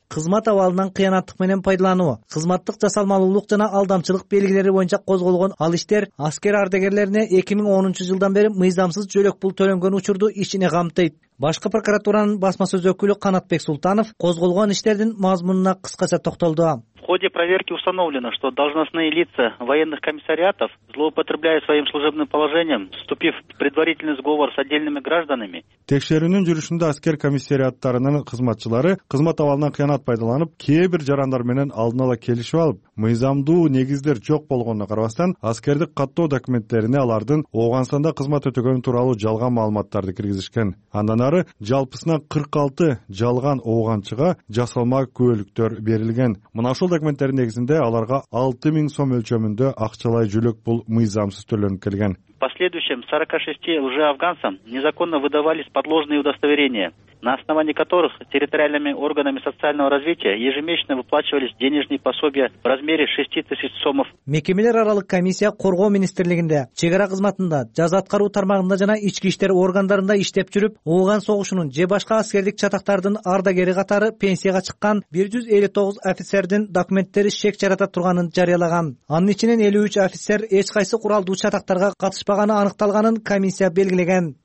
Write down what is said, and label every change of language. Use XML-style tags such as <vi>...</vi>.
<ky>Кызмат абалынан кыянаттык менен пайдалануу, кызматтык жасалмалуулук жана алдамчылык белгилери боюнча козголгон ал иштер аскер ардагерлерине 2010-жылдан бери мыйзамсыз жөлөк пул төлөнгөн учурду ичине камтыйт. Башкы прокуратуранын басма сөз өкүлү Канатбек Султанов козголгон иштердин мазмунуна кыскача токтолду.</ky> <ru>ходе проверки установлено, что должностные лица военных комиссариатов, злоупотребляя своим служебным положением, вступив в предварительный сговор с отдельными гражданами.</ru> <ky>Текшерүүнүн жүрүшүндө аскер комиссариаттарынын кызматчылары кызмат абалынан кыянат пайдаланып, кээбир жарандар менен алдын ала келишип алып, мыйзамдуу негиздер жок болгонуна карабастан, аскердик каттоо документтерине алардын Ооганстанда кызмат өтөгөнү тууралуу жалган маалыматтарды киргизишкен. Андан ары жалпысына 46 жалган ооганчыга жасалма күөлүктөр берилген. Мына ушул документтердин негизинде аларга 6000 сом өлчөмүндө акчалай жүлөк пул мыйзамсыз төлөнүп келген.</ky> <ru>В последующем 46 лжеафганцам незаконно выдавались подложные удостоверения, на основании которых территориальными органами социального развития ежемесячно выплачивались денежные пособия в размере 6000 сомов.</ru> <ky>Мекемелер аралык комиссия коргоо министрлигинде, чек ара кызматында, жаза аткаруу тармагында жана ички иштер органдарында иштеп жүрүп, Ооган согушунун же башка аскердик чатактардын ардагери катары пенсияга чыккан 159 офицердин документтери шек жарата турганын жарыялаган. Анын ичинен 53 офицер эч кайсы куралдуу чатактарга катышпаганы аныкталганын комиссия белгилеген.</ky>